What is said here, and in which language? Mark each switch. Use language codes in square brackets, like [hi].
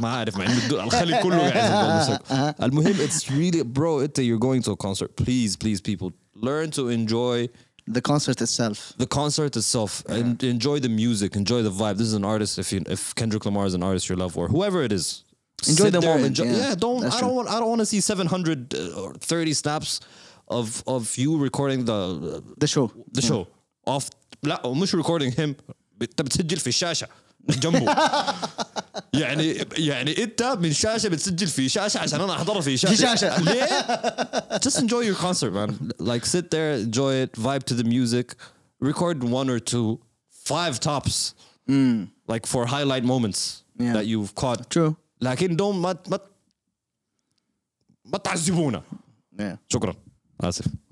[ar] ما عارف ما عنده الخلي كله يعني في الجولدن سيركل. [en] It's really, bro, you're going to a concert. Please, please, people, learn to enjoy the concert itself. The concert itself. Yeah. Enjoy the music. Enjoy the vibe. This is an artist. If Kendrick Lamar is an artist you love, or whoever it is, enjoy the moment. I don't want to see 730 snaps of you recording the show. Off. [ar] لا مش [en] recording him. [ar] بتسجل في الشاشة جنبه. يعني انت من شاشة بتسجل في شاشة عشان انا احضر في شاشة. في شاشة. ليه? [en] Just enjoy your concert, man. Like, sit there, enjoy it, vibe to the music, record one or two, five tops, like for highlight moments that you've caught. True. [ar] لكن [en] don't [ar] ما تعذبونا. شكرا. آسف.